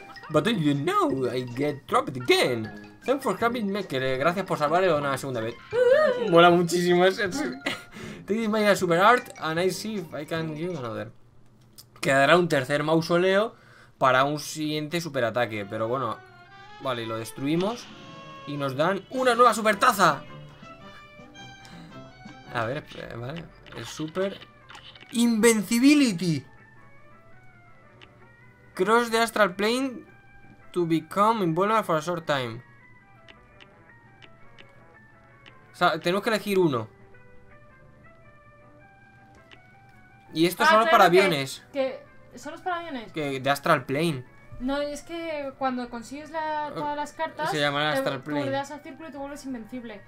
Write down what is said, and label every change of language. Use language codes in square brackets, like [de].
[en] But then you know I get trapped again. Thanks for having me. [es] Que gracias por salvarle una segunda vez. Mola muchísimo ese. Take my super art and I see if I can give another. Quedará un tercer mausoleo para un siguiente superataque. Pero bueno, vale, lo destruimos. Y nos dan una nueva supertaza. A ver, vale. El super Invincibility. [en] Cross the astral plane to become invulnerable for a short time. [es] O sea, tenemos que elegir uno. Y esto solo para aviones. ¿Solo es para aviones? Que de Astral Plane. No, es que cuando consigues todas las cartas se llamará Astral Plane. Tú le das al círculo y te vuelves invencible.